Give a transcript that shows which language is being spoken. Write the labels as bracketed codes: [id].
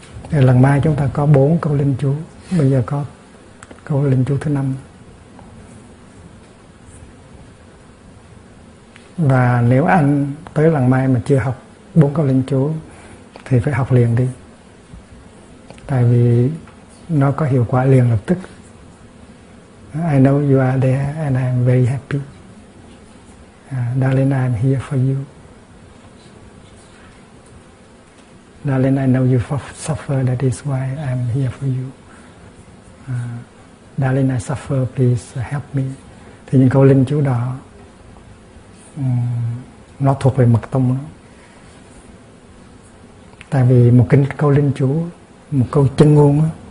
[vi] Lần mai chúng ta có 4 câu linh chú, bây giờ có câu linh chú thứ 5. Và nếu anh tới lần mai mà chưa học 4 câu linh chú thì phải học liền đi. Tại vì nó có hiệu quả liền lập tức. [en] I know you are there and I am very happy. Darling, I am here for you. Darling, I know you suffer, that is why I am here for you. Darling, I suffer, please help me. [vi] Thì những câu linh chú đó, nó thuộc về mật tông đó. Tại vì một cái câu linh chú, một câu chân ngôn đó,